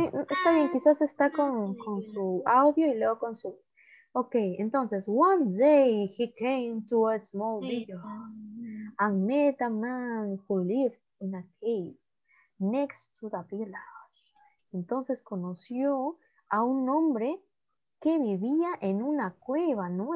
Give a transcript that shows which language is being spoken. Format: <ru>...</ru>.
<es>Está bien, quizás está con su audio y luego con su... Ok, entonces,</es> <en>one day he came to a small village and met a man who lived in a cave next to the village.</en> <es>Entonces conoció a un hombre que vivía en una cueva, ¿no?</es>